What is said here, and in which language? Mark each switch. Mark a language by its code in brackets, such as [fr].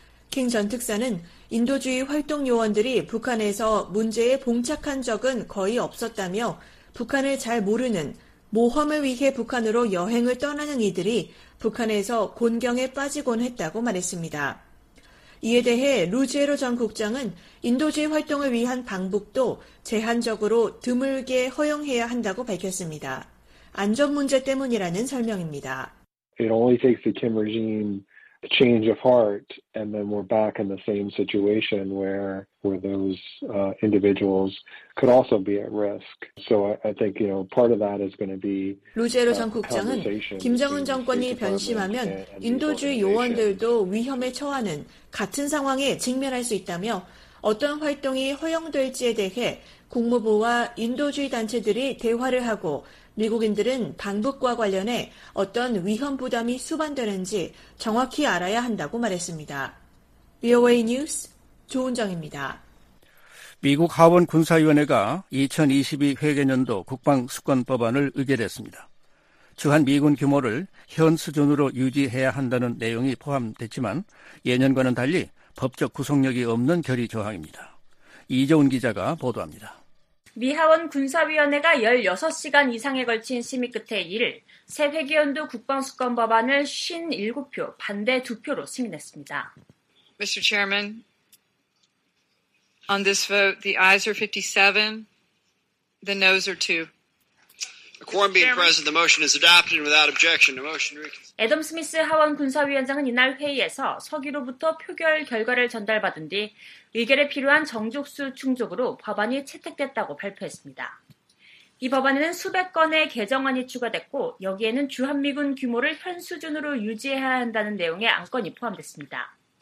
[ko] 킹 전 특사는 인도주의 활동 요원들이 북한에서 문제에 봉착한 적은 거의 없었다며 북한을 잘 모르는 모험을 위해 북한으로 여행을 떠나는 이들이 북한에서 곤경에 빠지곤 했다고 말했습니다. 이에 대해 루지에로 전 국장은 인도주의 활동을 위한 방북도 제한적으로 드물게 허용해야 한다고 밝혔습니다. 안전 문제 때문이라는 설명입니다. [en] It only takes the Kim regime a change of heart and then we're back in the same situation where those individuals could also be at risk. So I think you know part of that is going to be [ko] 루제로 전 국장은 김정은 정권이 변심하면 인도주의 요원들도 위험에 처하는 같은 상황에 직면할 수 있다며 어떤 활동이 허용될지에 대해 국무부와 인도주의 단체들이 대화를 하고 미국인들은 방북과 관련해 어떤 위험 부담이 수반되는지 정확히 알아야 한다고 말했습니다. VOA 뉴스 조은정입니다. 미국 하원 군사위원회가 2022 회계연도 국방수권법안을 의결했습니다. 주한 미군 규모를 현 수준으로 유지해야 한다는 내용이 포함됐지만 예년과는 달리 법적 구속력이 없는 결의 조항입니다. 이재훈 기자가 보도합니다. 미 하원 군사위원회가 16시간 이상에 걸친 심의 끝에 이를 새 회기연도 국방수권 법안을 57표 반대 2표로 승인했습니다. [en] Mr. Chairman, on this vote, the ayes are 57, the noes are 2. A quorum being present, the motion is adopted without objection. The motion reconsidered. [ko] 애덤 스미스 하원 군사위원장은 이날 회의에서 서기로부터 표결 결과를 전달받은 뒤 의결에 필요한 정족수 충족으로 법안이 채택됐다고 발표했습니다. 이 법안에는 수백 건의 개정안이 추가됐고 여기에는 주한미군 규모를 현 수준으로 유지해야 한다는 내용의 안건이 포함됐습니다.